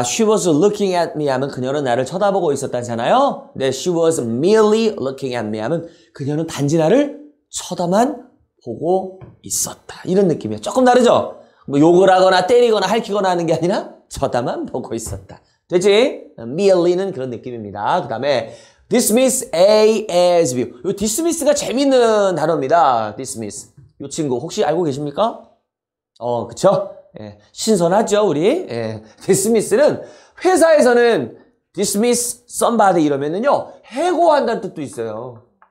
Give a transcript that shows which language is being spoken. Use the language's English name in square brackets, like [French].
[English] She was looking at me [Korean] 하면 그녀는 나를 쳐다보고 있었다잖아요. 네, [English] she was merely looking at me [Korean] 하면 그녀는 단지 나를 쳐다만 보고 있었다. 이런 느낌이에요. 조금 다르죠? 뭐 욕을 하거나 때리거나 할퀴거나 하는 게 아니라 쳐다만 보고 있었다. 되지? merely는 그런 느낌입니다. 그 다음에 dismiss A as B. 요 dismiss가 재밌는 단어입니다. dismiss. 요 친구 혹시 알고 계십니까? 어, 그쵸? 예, 신선하죠, 우리? 예, dismiss는 회사에서는 dismiss somebody 이러면은요, 해고한다는 뜻도 있어요.